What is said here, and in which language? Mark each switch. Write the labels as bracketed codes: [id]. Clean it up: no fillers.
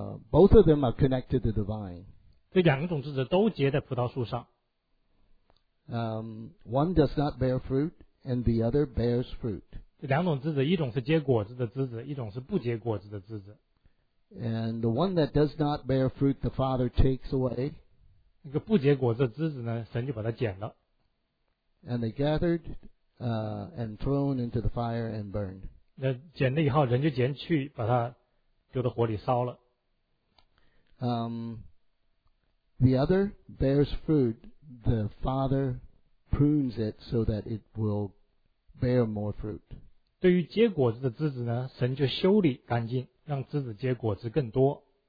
[en] Both of them are connected to the vine. [zh] 这两种枝子都结在葡萄树上。 [en] One does not bear fruit, and the other bears fruit. [zh] 这两种枝子，一种是结果子的枝子，一种是不结果子的枝子。 [en] And the one that does not bear fruit, the Father takes away. [zh] 那个不结果子的枝子呢，神就把它剪了。 [en] And they gathered, and thrown into the fire and burned. [zh] 那剪了以后，人就捡去，把它丢到火里烧了。 [en] The other bears fruit, the Father prunes it so that it will bear more fruit. [zh] 对于结果子的枝子呢，神就修理干净，让枝子结果子更多。